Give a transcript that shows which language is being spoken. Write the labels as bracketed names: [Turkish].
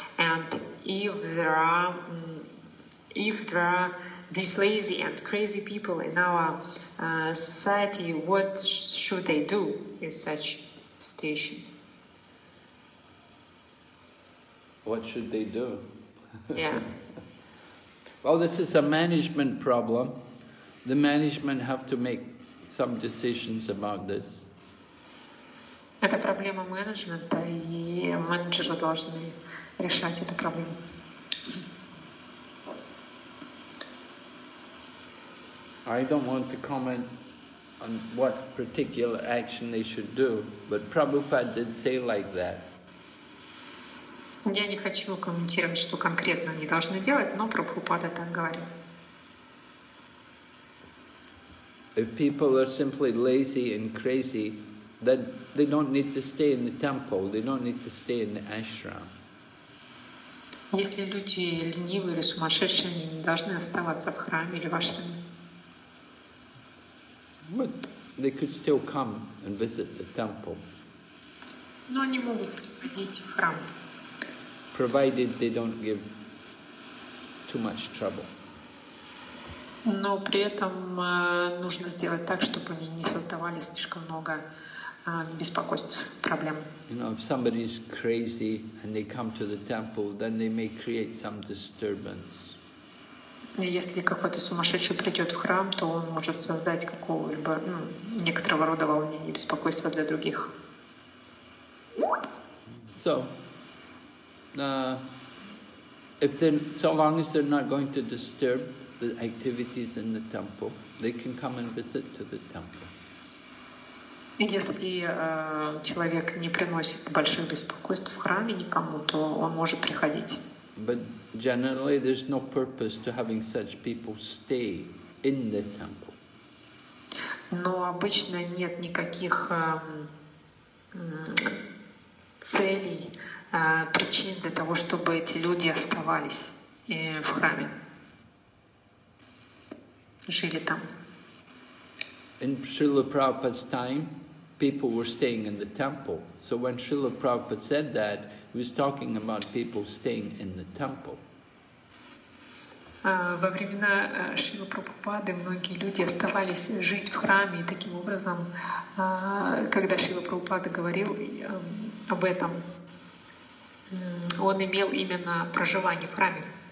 [English] And if there are these lazy and crazy people in our society, what should they do in such situation? What should they do? Yeah. Well, this is a management problem. The management have to make some decisions about this. [Russian] Это проблема менеджмента, и менеджеры должны решать эту проблему. [English] I don't want to comment on what particular action they should do, but Prabhupada did say like that. [Russian] Я не хочу комментировать, что конкретно они должны делать, но Прабхупада так говорит. [English] If people are simply lazy and crazy, then they don't need to stay in the temple, they don't need to stay in the ashram. [Russian] Если люди ленивые или сумасшедшие, они не должны оставаться в храме или в ашраме. [English] But they could still come and visit the temple. [Russian] Но они могут приходить в храм. [English] Provided they don't give too much trouble. [Russian] Но при этом нужно сделать так, чтобы они не создавали слишком много беспокойств, проблем. [English] You know, if somebody is crazy and they come to the temple, then they may create some disturbance. [Russian] Если какой-то сумасшедший придет в храм, то он может создать какого-либо, некоторого рода волнение и беспокойство для других. [English] So, if they, so long as they're not going to disturb the activities in the temple, they can come and visit to the temple. [Russian] Если человек не приносит больших беспокойств в храме никому, то он может приходить. [English] But generally, there's no purpose to having such people stay in the temple. [Russian] Но обычно нет никаких целей, причин для того, чтобы эти люди оставались в храме, жили там. [English] In Srila Prabhupada's time, people were staying in the temple. So when Srila Prabhupada said that, he was talking about people staying in the temple. [Russian] Во времена Шрилы Прабхупады многие люди оставались жить в храме, и таким образом, когда Шрила Прабхупада говорил об этом, он имел именно проживание в храме.